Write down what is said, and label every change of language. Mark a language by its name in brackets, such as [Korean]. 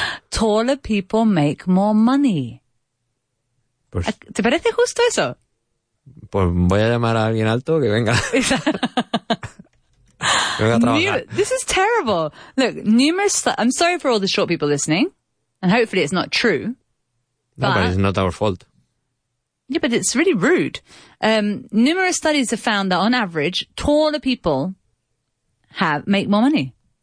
[English] Taller people make more money. [Spanish] Pues, ¿te parece justo eso? Pues voy a llamar a alguien alto que venga. [English] This is terrible. Look, I'm sorry for all the short people listening. And hopefully it's not true. No, but it's not our fault. Yeah, but it's really rude. Numerous studies have found that on average, taller people make more money.